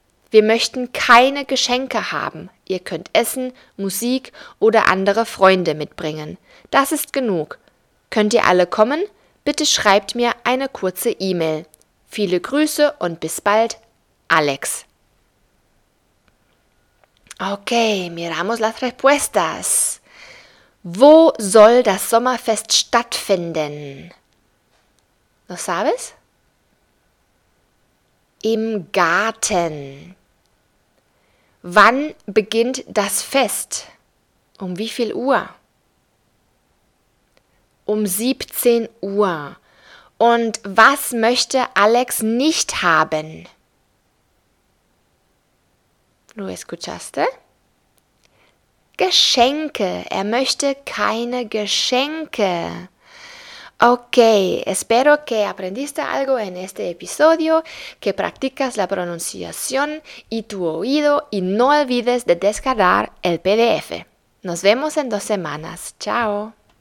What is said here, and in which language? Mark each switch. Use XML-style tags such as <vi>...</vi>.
<de>Wir möchten keine Geschenke haben. Ihr könnt Essen, Musik oder andere Freunde mitbringen. Das ist genug. Könnt ihr alle kommen? Bitte schreibt mir eine kurze E-Mail. Viele Grüße und bis bald, Alex.</de> <es>Okay, miramos las respuestas.</es> <de>Wo soll das Sommerfest stattfinden?</de> <es>¿Lo sabes?</es> <de>Im Garten. Wann beginnt das Fest? Um wie viel Uhr? Um 17 Uhr. Und was möchte Alex nicht haben?</de> <es>¿Lo escuchaste? Geschenke.</es> <de>Er möchte keine Geschenke.</de> <es>Ok, espero que aprendiste algo en este episodio, que practicas la pronunciación y tu oído y no olvides de descargar el PDF. Nos vemos en 2 semanas. Chao.</es>